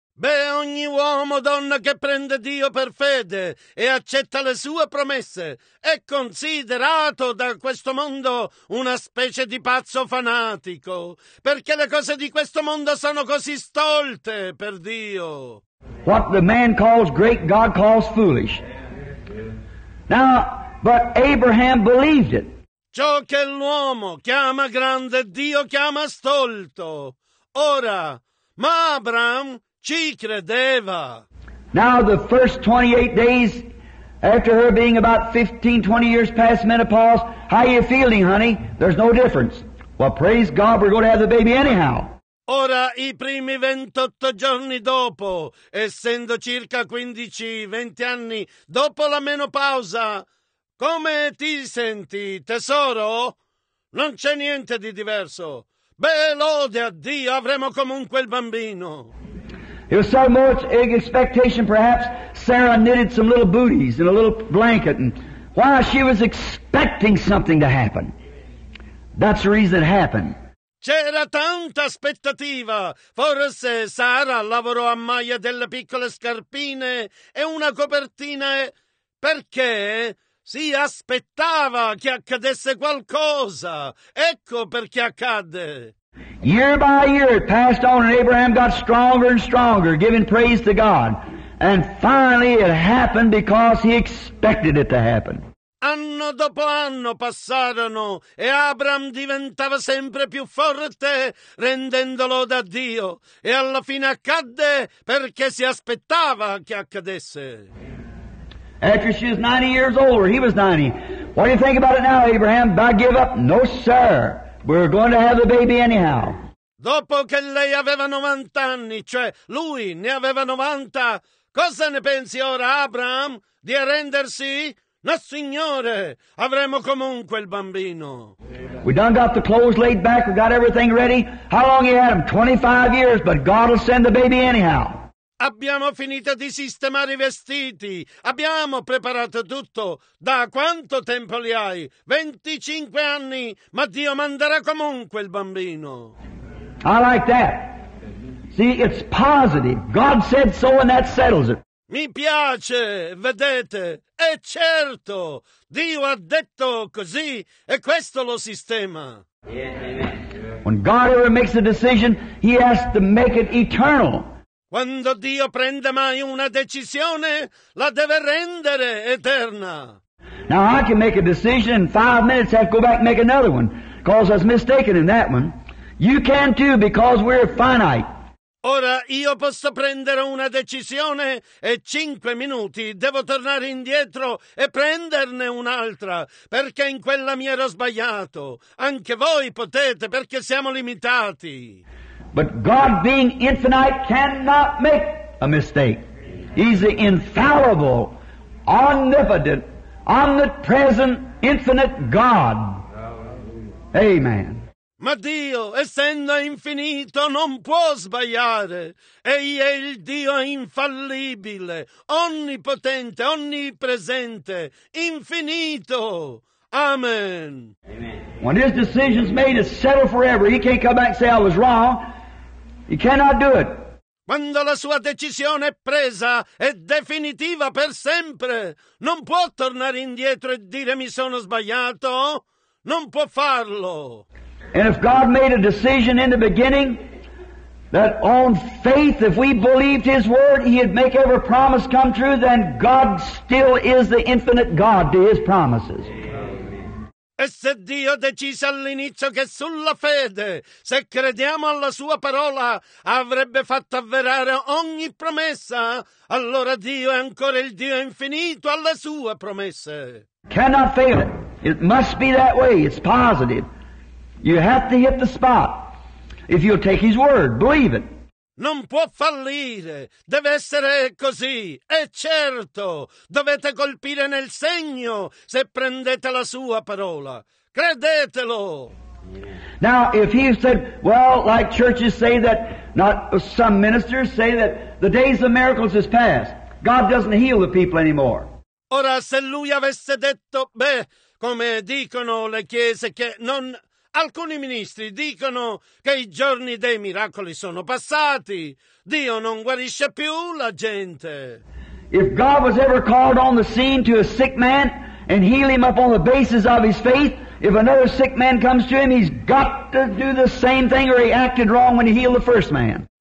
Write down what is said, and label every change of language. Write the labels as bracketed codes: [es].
[it] Beh, ogni uomo o donna che prende Dio per fede e accetta le sue promesse è considerato da questo mondo una specie di pazzo fanatico, perché le cose di questo mondo sono così stolte per Dio. [en] What the man calls great, God calls foolish. Now, but Abraham believed it. [it] Ciò che l'uomo chiama grande, Dio chiama stolto. Ora, ma Abraham ci credeva. [en] Now the first 28 days after her being about 15-20 years past menopause, how are you feeling, honey? There's no difference. Well, praise God, we're going to have the baby anyhow. [it] Ora, i primi 28 giorni dopo, essendo circa 15-20 anni dopo la menopausa, come ti senti, tesoro? Non c'è niente di diverso. Beh, lode a Dio, avremo comunque il bambino. [en] There was so much expectation, perhaps Sarah knitted some little booties and a little blanket, and while she was expecting something to happen, that's the reason it happened. [it] C'era tanta aspettativa. Forse Sara lavorò a maglia delle piccole scarpine e una copertina perché si aspettava che accadesse qualcosa. Ecco perché accadde. [en] Year by year it passed on, and Abraham got stronger and stronger, giving praise to God. And finally it happened because he expected it to happen. [it] Anno dopo anno passarono, e Abraham diventava sempre più forte, rendendolo da Dio. E alla fine accadde perché si aspettava che accadesse. [en] After she was 90 years older, he was 90. What do you think about it now, Abraham? Do I give up? No, sir. We're going to have the baby anyhow. [it] Dopo che lei aveva 90 anni, cioè lui ne aveva 90, cosa ne pensi ora, Abraham, di arrendersi? No, signore, avremo comunque il bambino. [en] We done got the clothes laid back, we got everything ready. How long you had him? 25 years, but God will send the baby anyhow. [it] Abbiamo finito di sistemare i vestiti, abbiamo preparato tutto. Da quanto tempo li hai? 25 anni, ma Dio manderà comunque il bambino. [en] I like that. See, it's positive. God said so and that settles it. [it] Mi piace, vedete, è certo. Dio ha detto così e questo lo sistema. [en] When God ever makes a decision, he has to make it eternal. [it] Quando Dio prende mai una decisione, la deve rendere eterna. [en] Now I can make a decision in 5 minutes, I have to go back and make another one, because I was mistaken in that one. You can too, because we're finite. [it] Ora io posso prendere una decisione e 5 minuti devo tornare indietro e prenderne un'altra, perché in quella mi ero sbagliato. Anche voi potete, perché siamo limitati. [en] But God, being infinite, cannot make a mistake. He's the infallible, omnipotent, omnipresent, infinite God. Amen. [it] Ma Dio, essendo infinito, non può sbagliare. Egli è il Dio infallibile, onnipotente, onnipresente, infinito. Amen. [en] When his decision's made, it's settled forever. He can't come back and say, I was wrong. He cannot do it. [it] Quando la sua decisione è presa, è definitiva per sempre. Non può tornare indietro e dire, mi sono sbagliato. Non può farlo. [en] And if God made a decision in the beginning that on faith, if we believed his word, he'd make every promise come true, then God still is the infinite God to his promises. [it] E se Dio decise all'inizio che sulla fede, se crediamo alla sua parola, avrebbe fatto avverare ogni promessa, allora Dio è ancora il Dio infinito alle sue promesse. [en] Cannot fail it. It must be that way. It's positive. You have to hit the spot if you'll take his word, believe it. [it] Non può fallire, deve essere così, è certo, dovete colpire nel segno se prendete la sua parola, credetelo. [en] Now, if he said, well, like churches say that, not some ministers say that the days of miracles is past, God doesn't heal the people anymore. [it] Ora, se lui avesse detto, beh, come dicono le chiese che non... Alcuni ministri dicono che i giorni dei miracoli sono passati. Dio non guarisce più la gente. [en] If God was ever called on the scene to a sick man and heal him up on the basis of his faith, if another sick man comes to him, he's got to do the same thing or he acted wrong when he healed the first man.